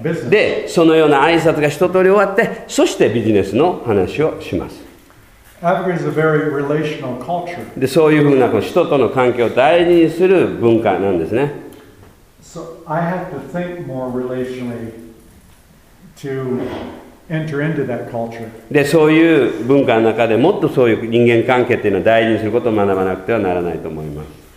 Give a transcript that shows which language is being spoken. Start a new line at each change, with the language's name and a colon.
Japanese: で、そのような挨拶が一通り終わって、そしてビジネスの話をします。
English: Africa is a very relational culture.
Japanese: で、そういうふうな人との関係を大事にする文化なんですね。
English: So I have to think more relationally. To enter into that culture.
Japanese: で、そういう文化の中でもっとそういう人間関係っていうのを大事にすることを学ばなくてはならないと思います。